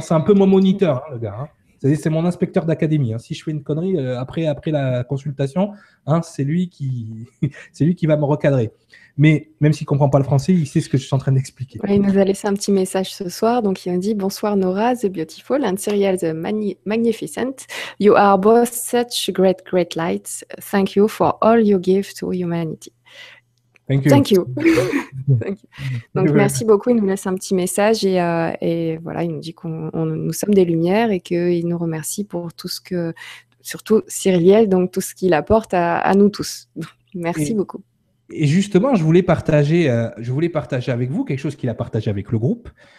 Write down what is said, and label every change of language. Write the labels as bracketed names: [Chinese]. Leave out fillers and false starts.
[French] C'est un peu mon moniteur, hein, le gars. Hein. C'est-à-dire, c'est mon inspecteur d'académie. Hein. Si je fais une connerie, après la consultation, hein, c'est lui qui va me recadrer. Mais même s'il ne comprend pas le français, il sait ce que je suis en train d'expliquer. Ouais, il nous a laissé un petit message ce soir. Donc, il a dit « Bonsoir [English] Nora, the beautiful and serial the magnificent. You are both such great, great lights. Thank you for all you give to humanity. » Thank you. Thank you. Thank you. [French] Donc, merci beaucoup. Il nous laisse un petit message et voilà, il nous dit nous sommes des lumières et qu'il nous remercie pour tout ce que, surtout Cyriliel, donc tout ce qu'il apporte à nous tous. Merci beaucoup. Et justement, je voulais partager avec vous quelque chose qu'il a partagé avec le groupe.